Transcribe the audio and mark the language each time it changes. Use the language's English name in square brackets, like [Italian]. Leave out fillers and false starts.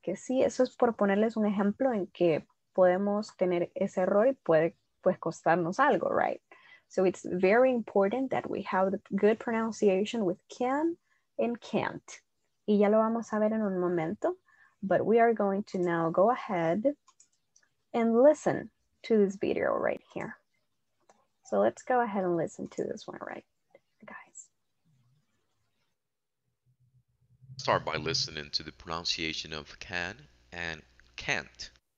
[Spanish] Que sí, eso es por ponerles un ejemplo en que podemos tener ese error y puede pues costarnos algo, right? [English] So it's very important that we have the good pronunciation with can and can't. [Spanish] Y ya lo vamos a ver en un momento. [English] But we are going to now go ahead and listen to this video right here. So let's go ahead and listen to this one, right, guys. Start by listening to the pronunciation of can and can't.